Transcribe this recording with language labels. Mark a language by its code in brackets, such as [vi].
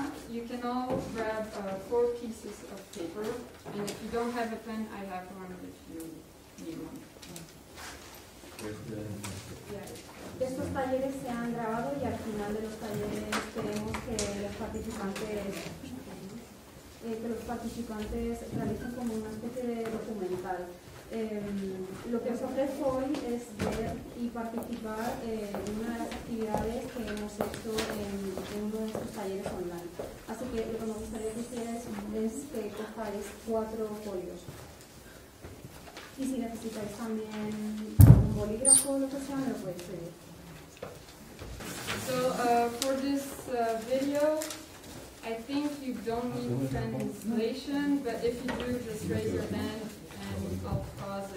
[en] You can all grab four pieces of paper, and if you don't have a pen, I have one if you need one. Yeah. [es] talleres se han grabado y al final de los talleres queremos que los participantes realicen como una especie de documental. Lo que os ofrezco hoy es ver y participar en una de las actividades que hemos hecho en uno de estos talleres online. Así que lo que me gustaría que hicierais es que cojáis 4 folios. Y si necesitáis también un bolígrafo o lo que sea, me lo podéis pedir. [en] So, for this video, I think you don't need translation, but if you do, just raise your hand and I'll pause